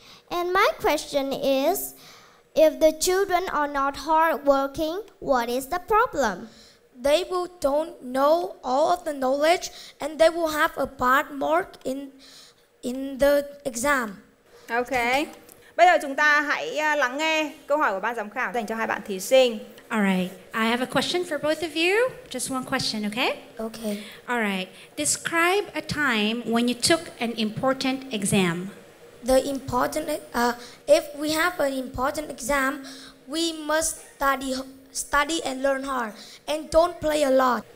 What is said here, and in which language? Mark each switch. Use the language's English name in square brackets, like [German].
[English] And my question is, if the children are not hardworking, what is the problem? They will don't know all of the knowledge and they will have a bad mark in the exam. Okay. [Vietnamese] Bây giờ chúng ta hãy lắng nghe câu hỏi của ban giám khảo dành cho hai bạn thí sinh. [English] All right. I have a question for both of you. Just one question, okay? Okay. All right. Describe a time when you took an important exam. The important if we have an important exam, We must study and learn hard and don't play a lot.